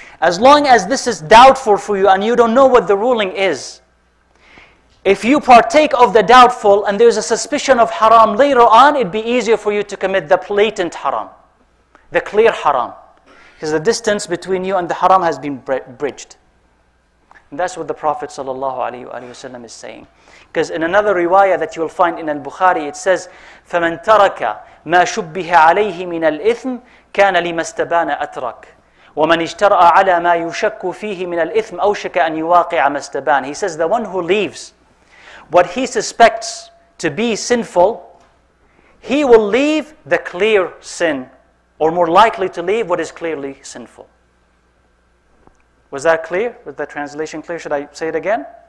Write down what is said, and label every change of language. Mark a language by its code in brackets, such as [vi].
[en] As long as this is doubtful for you and you don't know what the ruling is, if you partake of the doubtful and there's a suspicion of haram later on, it'd be easier for you to commit the blatant haram, the clear haram, because the distance between you and the haram has been bridged. And that's what the Prophet sallallahu alaihi wasallam is saying. Because in another riwayah that you will find in al-Bukhari, it says, [ar] فَمَنْ تَرَكَ مَا شُبِّهَ عَلَيْهِ مِنَ الْإِثْمِ كَانَ لِمَا اسْتَبَانَ أَتْرَكَ وَمَنْ اجْتَرَأَ عَلَى مَا يُشَكُّ فِيهِ مِنَ الْإِثْمِ أَوْشَكَ أَنْ يُوَاقِعَ مَا اسْتَبَانَ. [en] He says, the one who leaves what he suspects to be sinful, he will leave the clear sin, or more likely to leave what is clearly sinful. Was that clear? Was the translation clear? Should I say it again?